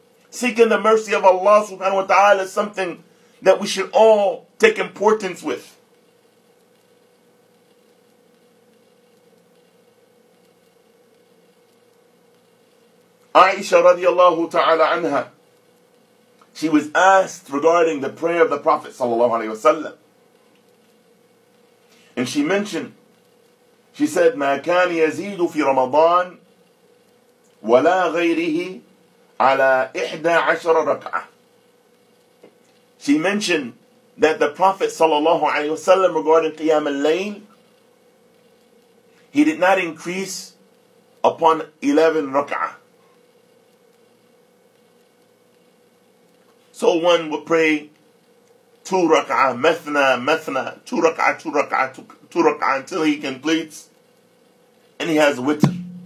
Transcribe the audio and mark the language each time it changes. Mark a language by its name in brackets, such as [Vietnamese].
[English] Seeking the mercy of Allah subhanahu wa ta'ala is something that we should all take importance with. Aisha radiallahu ta'ala anha, she was asked regarding the prayer of the Prophet sallallahu alayhi wa sallam. [Arabic] And she mentioned, she said, مَا كَانِ يَزِيدُ فِي رَمَضَانِ وَلَا غَيْرِهِ عَلَىٰ إِحْدَى عَشَرَ رَكْعَةٍ. [English] She mentioned that the Prophet sallallahu alayhi wa sallam, regarding Qiyam al-Layl, he did not increase upon 11 rak'ah. So one would pray two rak'ah, mathna, mathna, two rak'ah, two rak'ah, two rak'ah, until he completes and he has witr.